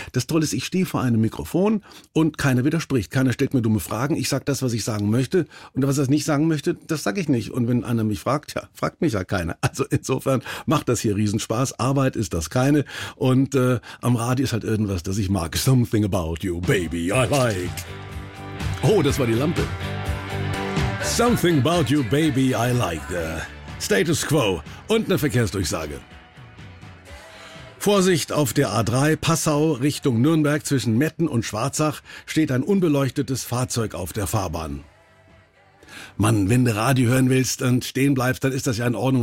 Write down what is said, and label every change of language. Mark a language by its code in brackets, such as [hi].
[de] Das Tolle ist, ich stehe vor einem Mikrofon und keiner widerspricht, keiner stellt mir dumme Fragen. Ich sage das, was ich sagen möchte und was ich nicht sagen möchte, das sage ich nicht. Und wenn einer mich fragt, ja, fragt mich ja keiner. Also insofern macht das hier Riesenspaß. Arbeit ist das keine. Und am Radio ist halt irgendwas, das ich mag. [en] Something about you, baby, I like. [de] Oh, das war die Lampe. [en] Something about you, baby, I like. [de] Status Quo und eine Verkehrsdurchsage. Vorsicht auf der A3 Passau Richtung Nürnberg zwischen Metten und Schwarzach steht ein unbeleuchtetes Fahrzeug auf der Fahrbahn. Mann, wenn du Radio hören willst und stehen bleibst, dann ist das ja in Ordnung.